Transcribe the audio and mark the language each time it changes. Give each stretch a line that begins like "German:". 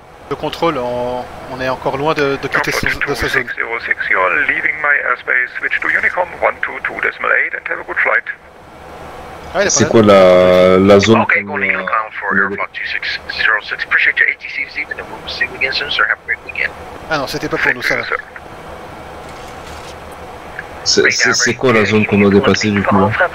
French: Le contrôle, on est encore loin de quitter de sa zone.
English: 06, you're leaving my airspace, switch to Unicom 122.8 and have a good flight.
French: Ah, c'est quoi la zone?
English: Okay, go legal ground for Aeroflot 2606. Appreciate your ATC this evening and we'll see you again soon, sir. Have a great weekend.
French: Ah non, c'était pas pour nous, ça là. C'est quoi la zone qu'on a dépassée du coup?